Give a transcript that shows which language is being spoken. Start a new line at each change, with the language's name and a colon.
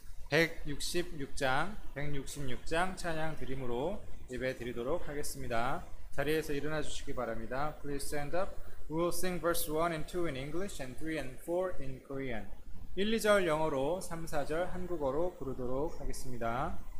Korean: 166장 찬양 드림으로 예배 드리도록 하겠습니다. 자리에서 일어나 주시기 바랍니다.
English: Please stand up. We will sing verse 1 and 2 in English and 3 and 4 in Korean.
Korean: 1, 2절 영어로, 3, 4절 한국어로 부르도록 하겠습니다.